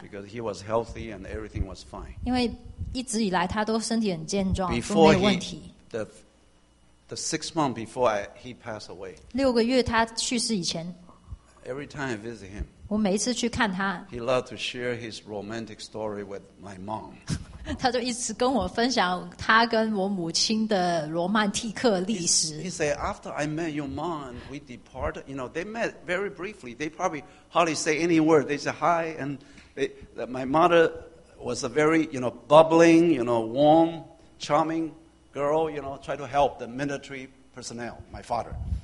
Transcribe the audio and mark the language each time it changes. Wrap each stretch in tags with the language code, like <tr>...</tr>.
<en>because he was healthy and everything was fine.</en> <zh>因为一直以来他都身体很健壮,</zh> <en>before</en> <zh>都没有问题,</zh> <en>the 6 months before he passed away.</en> <zh>6个月他去世以前,</zh> <en>every time I visit him,</en> <zh>我每一次去看他,</zh> <en>he loved to share his romantic story with my mom.</en> <zh>他就一直跟我分享他跟我母亲的罗曼蒂克历史。</zh> <en>He said, after I met your mom, and we departed, you know, they met very briefly. They probably hardly say any word. They say hi, and that my mother was a very, you know, bubbling, you know, warm, charming girl, you know, try to help the military personnel, my father.</en>